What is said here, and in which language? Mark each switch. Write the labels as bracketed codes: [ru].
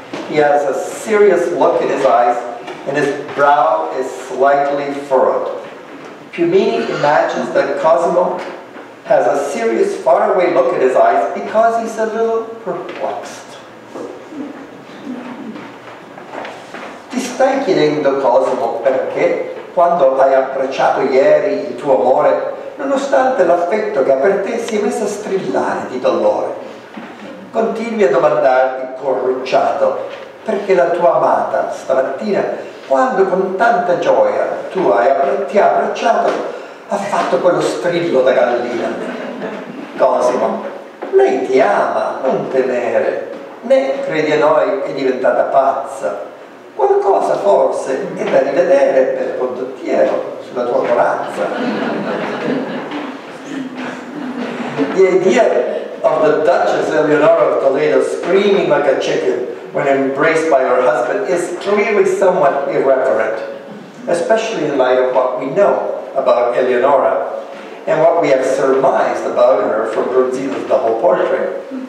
[en] He has a serious look in his eyes, and his brow is slightly furrowed. Piumini imagines that Cosimo has a serious, faraway look in his eyes because he's a little perplexed. [it] Ti stai chiedendo, Cosimo, perché quando hai abbracciato ieri il tuo amore, nonostante l'affetto che ha per te si è messo a strillare di dolore. Continui a domandarti, corrucciato, perché la tua amata stamattina, quando con tanta gioia tu ti ha abbracciato, ha fatto quello strillo da gallina. Cosimo, lei ti ama, non temere, né credi a noi è diventata pazza. Qualcosa forse è da rivedere per condottiero sulla tua corazza. [en] The idea of the Duchess Eleonora of Toledo screaming like a chicken when embraced by her husband is clearly somewhat irreverent, especially in light of what we know about Eleonora and what we have surmised about her from Bronzino's double portrait.